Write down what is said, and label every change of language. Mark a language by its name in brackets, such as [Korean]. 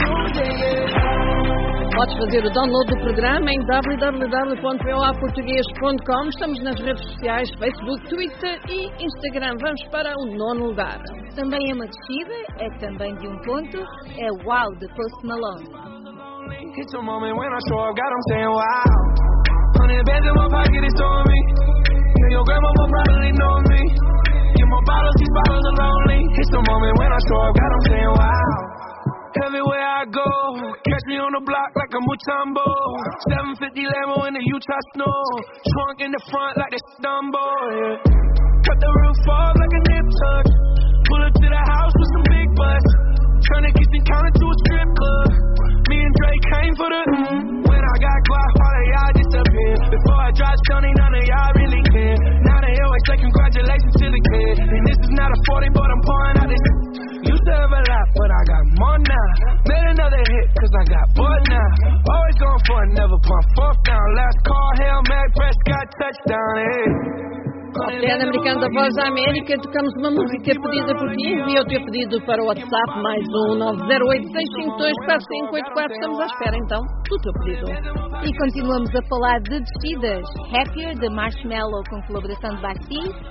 [Portuguese] Podes fazer o download do programa em www.voaportugues.com. Estamos nas redes sociais Facebook, Twitter e Instagram. Vamos para o 9º lugar. Também é uma descida, é também de um ponto. É Wow, de Post Malone. [English] It's a moment when I show up, God, I'm saying wow. 100 bands in my pocket, it's on me. And your grandma will probably know me. Get more bottles, these bottles are lonely. It's a moment when I show up, God, I'm saying wow. Everywhere I go, catch me on the block like a Mutombo. 750 Lambo in the Utah snow. Trunk in the front like a Dumbo, yeah. Cut the roof off like a nip tuck. Pull up to the house with some big butts. Turn the kitchen counter to a strip club. Me and Dre came for the When I got guap, all of y'all disappear. Before I drive stunning, none of y'all really care. Now they always say congratulations to the kid. And this is not a 40, but I'm pouring out this. Used to have a lot, but I got more now. Made another hit, cause I got butt now. Always going for it, never pump fourth down. Last call, Hail Mary, Prescott, touchdown, hey. [Portuguese] Top 10 americano da Voz da América, tocamos uma música pedida por mim, envia o teu pedido para o WhatsApp, mais um 908-652-5584, estamos à espera então do teu pedido. E continuamos a falar de descidas, Happier, de Marshmello, com colaboração de Basti,